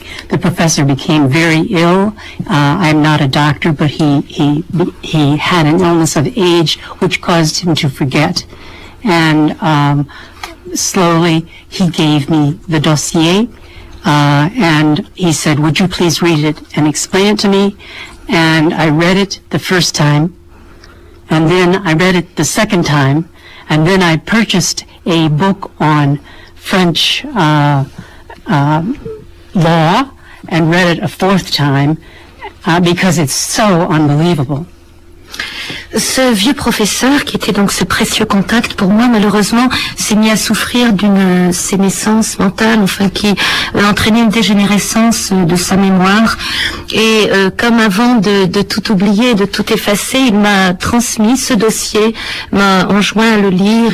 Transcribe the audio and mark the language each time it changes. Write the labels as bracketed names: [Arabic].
[English] The professor became very ill. I'm not a doctor, but he had an illness of age which caused him to forget. And slowly he gave me the dossier and he said, would you please read it and explain it to me? And I read it the first time, and then I read it the second time, and then I purchased a book on French law and read it a fourth time because it's so unbelievable. [French] Ce vieux professeur, qui était donc ce précieux contact pour moi, malheureusement, s'est mis à souffrir d'une sénescence mentale, enfin, qui entraînait une dégénérescence de sa mémoire. Et comme avant de tout oublier, de tout effacer, il m'a transmis ce dossier, m'a enjoint à le lire.